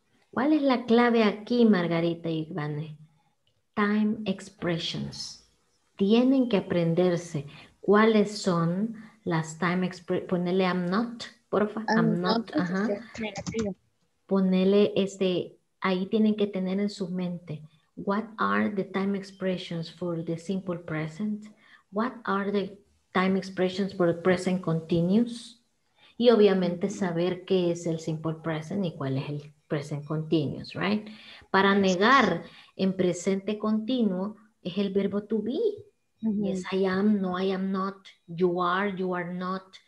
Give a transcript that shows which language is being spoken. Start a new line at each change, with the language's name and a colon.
Spanish: ¿Cuál es la clave aquí, Margarita y Ivane? Time expressions. Tienen que aprenderse cuáles son las time expressions. Ponele I'm not, porfa. I'm not. Ajá. Ponele ahí tienen que tener en su mente.
English: What are the time expressions for the simple present? What are the time expressions for the present continuous?
Spanish: Y obviamente saber qué es el simple present y cuál es el present continuous, right? Para negar en presente continuo es el verbo to be.
English: Yes, I am, no, I am not, you are not.